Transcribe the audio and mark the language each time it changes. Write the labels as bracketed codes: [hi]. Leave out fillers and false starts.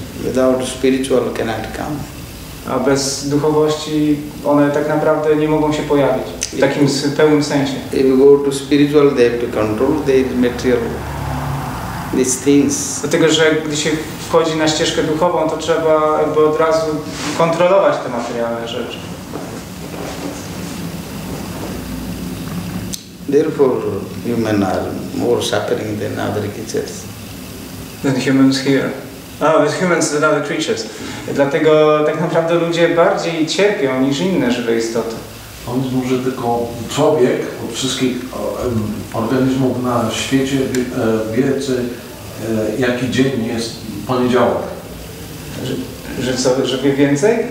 [en] Without spiritual cannot come. [pl] A bez duchowości one tak naprawdę nie mogą się pojawić w takim pełnym sensie. [en] If you go to spiritual, they have to control their material these things. [pl] Dlatego, że gdy się wchodzi na ścieżkę duchową, to trzeba jakby od razu kontrolować te materialne rzeczy. [en] Therefore, humans are more suffering than other creatures. Than humans here. Oh, with humans than other creatures. [pl] Dlatego tak naprawdę ludzie bardziej cierpią niż inne żywe istoty. On jest może tylko człowiek od wszystkich organizmów na świecie wiedzy, jaki dzień jest poniedziałek. Że co, że wie więcej?